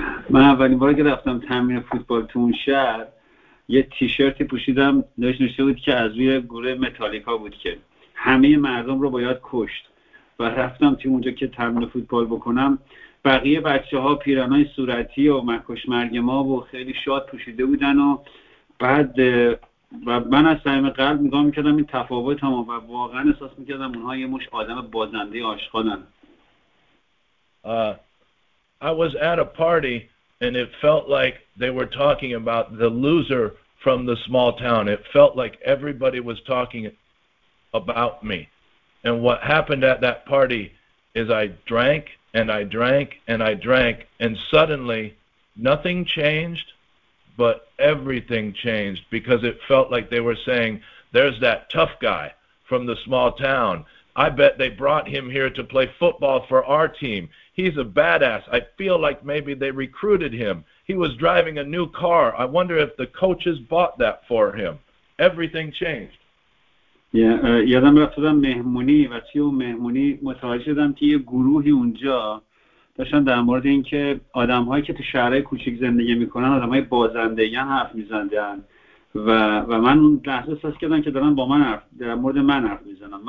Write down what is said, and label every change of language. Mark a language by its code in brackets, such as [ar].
[fa] من اولین باری که رفتم تمرین فوتبال تو اون شهر یه تیشرتی پوشیدم نوشته بود که از روی گروه متالیکا بود که همه مردم رو باید کشت و رفتم تیم اونجا که تمرین فوتبال بکنم بقیه بچه ها پیرانای صورتی و مکش مرگ ما و خیلی شاد پوشیده بودن و بعد و من از صمیم قلب نگاه میکردم این تفاوت هم و واقعا احساس میکردم اونها یه مش آدم بازنده آشغالن. [en] I was at a party and it felt like they were talking about the loser from the small town. It felt like everybody was talking about me. And what happened at that party is I drank and I drank and I drank and suddenly nothing changed, but everything changed because it felt like they were saying, there's that tough guy from the small town. I bet they brought him here to play football for our team. He's a badass. I feel like maybe they recruited him. He was driving a new car. I wonder if the coaches bought that for him. Everything changed. [fa] یادم رفتم مهمونی و توی مهمونی متوجه شدم که یه گروهی اونجا داشتن در مورد این که آدم هایی که تو شهرهای کوچک زندگی میکنن آدم های بازنده یا حرف میزندن و من اون لحظه احساس کردم که دارن با من حرف در مورد من حرف میزنن.